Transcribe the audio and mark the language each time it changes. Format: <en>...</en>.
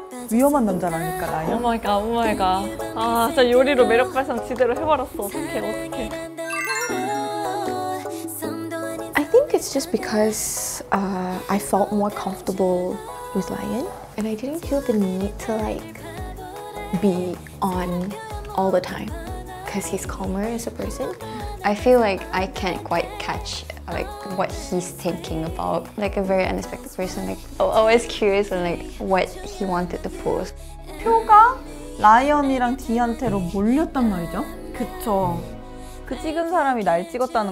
<ko>위험한 남자라니까 나야.</ko> <en>Oh my god, oh my god.</en> <ko>아, 진짜 요리로 매력 발산 제대로 해버렸어. 어떡해, 어떡해.</ko> <en>I think it's just because I felt more comfortable with Lion, and I didn't feel the need to like be on all the time. Because he's calmer as a person, I feel like I can't quite catch like what he's thinking about. Like a very unexpected person, like always curious on like what he wanted to pose.</en> <ko>표가 라이언이랑 D한테로 몰렸단 말이죠? 그쵸. 그 찍은 사람이 날 찍었다는.</ko>